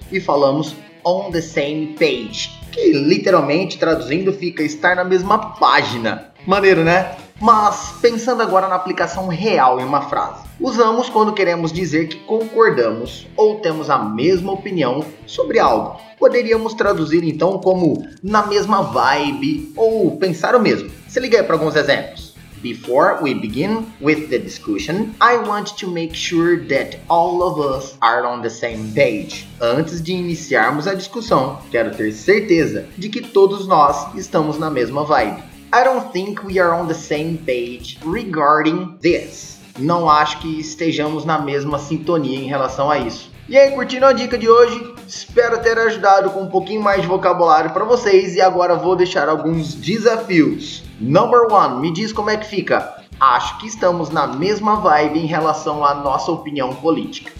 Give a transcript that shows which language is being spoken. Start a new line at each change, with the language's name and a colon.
Portuguese: E falamos
English: on the same page,
Portuguese: que literalmente traduzindo fica estar na mesma página. Maneiro, né? Mas pensando agora na aplicação real em uma frase, usamos quando queremos dizer que concordamos ou temos a mesma opinião sobre algo. Poderíamos traduzir então como na mesma vibe ou pensar o mesmo. Se liga aí para alguns exemplos.
English: Before we begin with the discussion, I want to make sure that all of us are on the same page.
Portuguese: Antes de iniciarmos a discussão, quero ter certeza de que todos nós estamos na mesma vibe.
English: I don't think we are on the same page regarding this.
Portuguese: Não acho que estejamos na mesma sintonia em relação a isso. E aí, curtindo a dica de hoje? Espero ter ajudado com um pouquinho mais de vocabulário para vocês e agora vou deixar alguns desafios. Number 1, me diz como é que fica. Acho que estamos na mesma vibe em relação à nossa opinião política.